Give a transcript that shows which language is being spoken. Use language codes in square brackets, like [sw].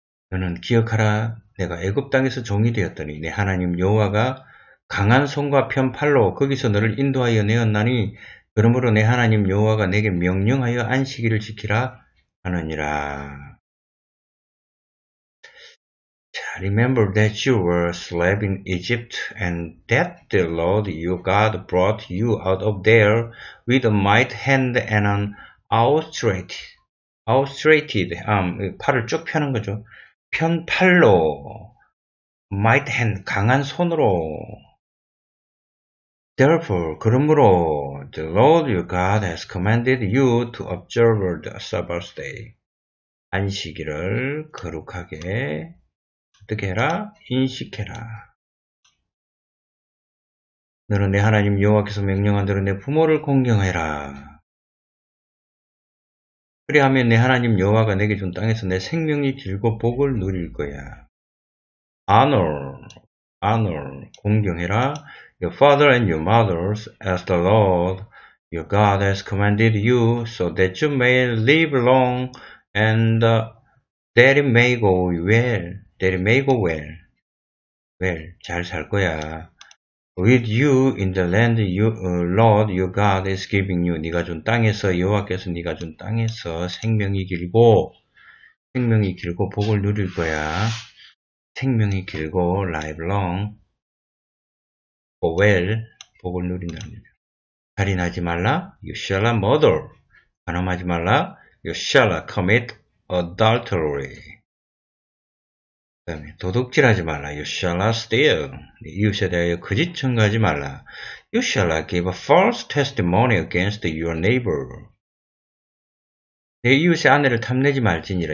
[ko] 너는 기억하라, 내가 애굽 땅에서 종이 되었더니, 내 하나님 여호와가 강한 손과 편 팔로 거기서 너를 인도하여 내었나니 그러므로 내 하나님 여호와가 내게 명령하여 안식일을 지키라 하느니라. [en] Remember that you were slave in Egypt, and that the Lord your God brought you out of there with a mighty hand and an outstretched arm. [ko] 팔을 쭉 펴는 거죠. 편 팔로, [en] mighty hand, [ko] 강한 손으로. [en] Therefore, 그러므로, the Lord your God has commanded you to observe the Sabbath day. [ko] 안식일을 거룩하게 어떻게 해라? 인식해라. 너는 내 하나님 여호와께서 명령한 대로 내 부모를 공경해라. 그리하면 내 하나님 여호와가 내게 준 땅에서 내 생명이 길고 복을 누릴 거야. Honor, honor, 공경해라. [en] Your father and your mothers, as the Lord your God has commanded you, so that you may live long and that it may go well. That it may go well. Well, [ko] 잘 살 거야. [en] With you in the land, Lord, your God is giving you. [ko] 네가 준 땅에서, 여호와께서 네가 준 땅에서 생명이 길고 복을 누릴 거야. 생명이 길고, [en] live long. [ko] Oh well, 복을 누린다는 거죠. 살인하지 말라. [en] You shall not murder. [ko] 간음하지 말라. [en] You shall not commit adultery. [ko] 도둑질하지 말라. [en] You shall not steal. [ko] 이웃에 대하여 거짓 증거하지 말라. [en] You shall not give a false testimony against your neighbor. [ko] 내 이웃의 아내를 탐내지 말지니라.